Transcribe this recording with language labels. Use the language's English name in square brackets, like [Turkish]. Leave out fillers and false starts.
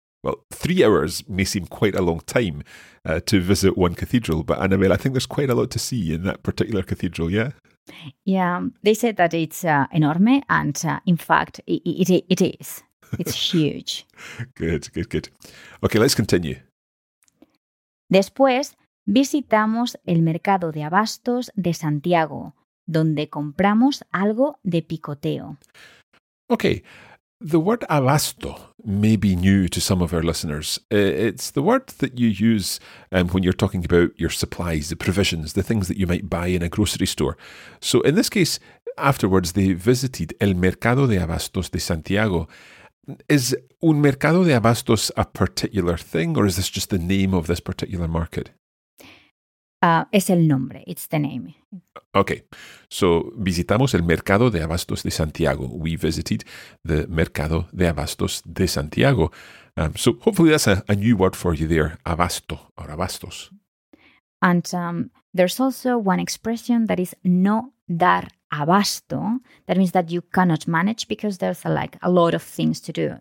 [English] Well, 3 hours may seem quite a long time to visit one cathedral, but Annabelle, I think there's quite a lot to see in that particular cathedral, yeah? Yeah, they said that it's enorme, and in fact, it is. It's huge. Good, good, good. Okay, let's continue. [Spanish] Después, visitamos el mercado de abastos de Santiago, donde compramos algo de picoteo. [English] Okay, The word alasto may be new to some of our listeners. It's the word that you use when you're talking about your supplies, the provisions, the things that you might buy in a grocery store. So in this case, afterwards, they visited El Mercado de Abastos de Santiago. Is [Spanish] un mercado de abastos [English] a particular thing, or is this just the name of this particular market? [Spanish] Es el nombre. [English] It's the name. Okay. [Spanish] So, visitamos el Mercado de Abastos de Santiago. [English] We visited the Mercado de Abastos de Santiago. So, hopefully that's a new word for you there. Abasto or abastos. And there's also one expression that is [Spanish] no dar abasto. [English] That means that you cannot manage because there's a lot of things to do.